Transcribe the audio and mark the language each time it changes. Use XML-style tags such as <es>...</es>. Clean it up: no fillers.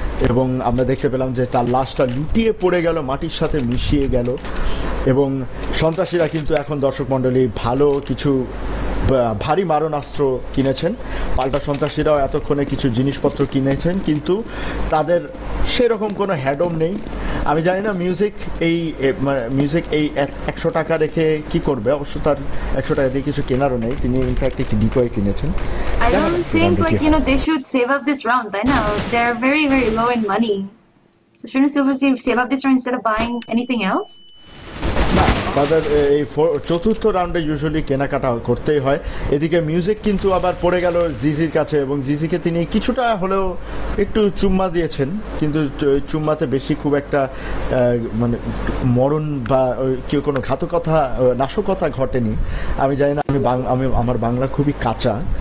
<bn>এবং আমরা দেখতে পেলাম যে তার লাশটা লুটিয়ে পড়ে গেল, মাটির সাথে মিশিয়ে গেল, এবং সন্ত্রাসীরা কিন্তু এখন দর্শক মণ্ডলী ভালো কিছু ভারী মারণাস্ত্র কিনেছেন। পাল্টা সন্ত্রাসীরাও এতক্ষণে কিছু জিনিসপত্র কিনেছেন, কিন্তু তাদের সেরকম কোনো হ্যাডম নেই। আমি জানি না মিউজিক এই 100 টাকা রেখে কি করবে, অবশ্য তার 100 টাকা দিয়ে কিছু কেনারও নেই, তিনি ইনফ্যাক্ট একটি ডিকয় কিনেছেন।</bn> <en>I don't think like, you know, they should save up this round, I know. They are very, very low in money. So shouldn't Silver save up this round instead of buying anything else?</en> <bn>তাদের এই চতুর্থ রাউন্ডে usually কেনাকাটা করতেই হয়। এদিকে music কিন্তু আবার পড়ে গেল জিজির কাছে, এবং জিজিকে তিনি কিছুটা হলেও একটু চুম্মা দিয়েছেন, কিন্তু চুম্মাতে বেশি খুব একটা মানে মরণ বা কেউ কোনো ঘাতকতা নাশকতা ঘটেনি। আমি জানি না, আমি আমার বাংলা খুবই কাঁচা,</bn>